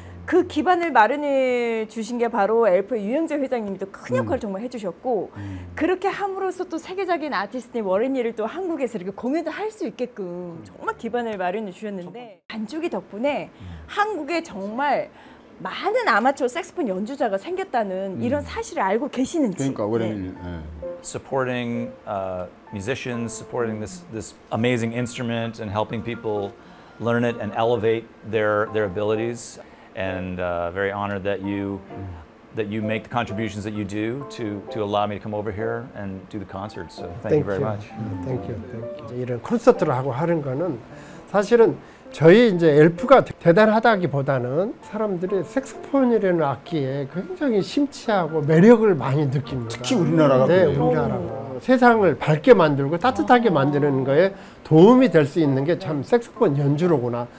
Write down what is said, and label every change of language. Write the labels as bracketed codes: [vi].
[ko] 그 기반을 마련해 주신 게 바로 엘프의 유영재 회장님도 큰 역할을 정말 해주셨고 그렇게 함으로써 또 세계적인 아티스트인 워렌이를 또 한국에서 이렇게 공연을 할 수 있게끔 정말 기반을 마련해 주셨는데 반쪽이 덕분에 한국에 정말 많은 아마추어 색소폰 연주자가 생겼다는 이런 사실을 알고 계시는지. 그러니까 원래는 네. 네. [en] supporting musicians, supporting this amazing instrument and helping people learn it and elevate their abilities and very honored that you make the contributions that you do to allow me to come over here and do the concert. So thank you very much. Thank you. [ko] 이런 콘서트를 하고 하는 거는 사실은 저희 이제 엘프가 대단하다기보다는 사람들이 색소폰이라는 악기에 굉장히 심취하고 매력을 많이 느낍니다. 특히 우리나라가 네, 우리나라가 세상을 밝게 만들고 따뜻하게 만드는 거에 도움이 될 수 있는 게 참 색소폰 연주로구나.